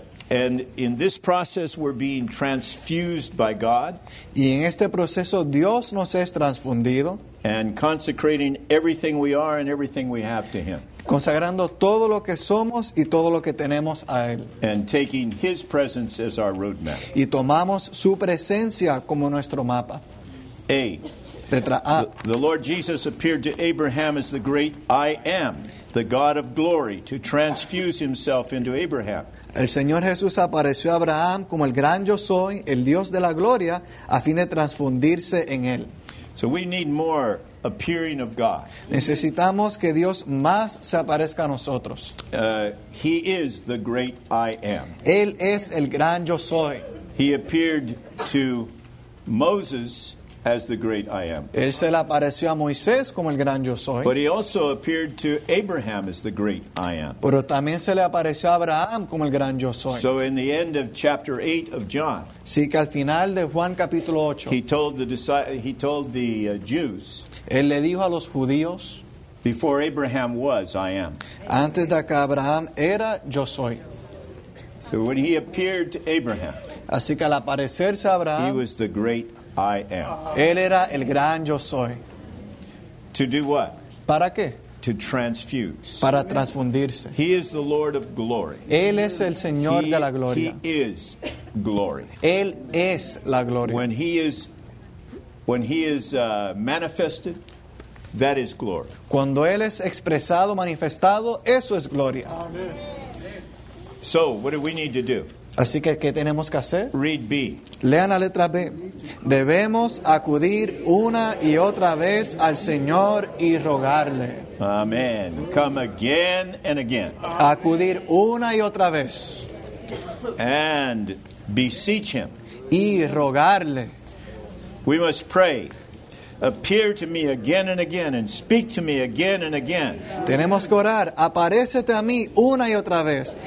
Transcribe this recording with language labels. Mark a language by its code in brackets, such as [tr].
[en] And in this process, we're being transfused by God. [es] Y en este proceso, Dios nos es transfundido. [en] And consecrating everything we are and everything we have to Him. [es] Consagrando todo lo que somos y todo lo que tenemos a Él. [en] And taking His presence as our roadmap. [es] Y tomamos su presencia como nuestro mapa. A. [en] The Lord Jesus appeared to Abraham as the great I Am, the God of glory, to transfuse Himself into Abraham. [es] El Señor Jesús apareció a Abraham como el gran Yo Soy, el Dios de la gloria, a fin de transfundirse en Él. [en] So we need more appearing of God. [es] Necesitamos que Dios más se aparezca a nosotros. [en] He is the great I Am. [es] Él es el gran Yo Soy. [en] He appeared to Moses as the great I Am. [es] Él se le apareció a Moisés como el gran Yo Soy. [en] But He also appeared to Abraham as the great I Am. [es] Pero también se le apareció a Abraham como el gran Yo Soy. [en] So in the end of chapter 8 of John. [es] Sí, que al final de Juan capítulo 8. [en] He told the Jews. [es] Él le dijo a los judíos. [en] Before Abraham was, I Am. [es] Antes de que Abraham era, Yo Soy. [en] So when He appeared to Abraham. [es] Así que al aparecerse a Abraham. [en] He was the great I Am. [es] Él era el gran Yo Soy. [en] To do what? [es] ¿Para qué? [en] To transfuse. [es] Para transfundirse. [en] He is the Lord of glory. [es] Él es el Señor de la gloria. [en] He is glory. [es] Él es la gloria. [en] When he is manifested, that is glory. [es] Cuando Él es expresado, manifestado, eso es gloria. [en] Amen. So, what do we need to do? [es] Así que, ¿qué tenemos que hacer? [en] Read B. [es] Lean la letra B. Debemos acudir una y otra vez al Señor y rogarle. [en] Amen. Come again and again. [es] Acudir una y otra vez. [en] And beseech Him. [es] Y rogarle. [en] We must pray. Appear to me again and again and speak to me again and again. [es] Tenemos que orar. Aparécete a mí una y otra vez.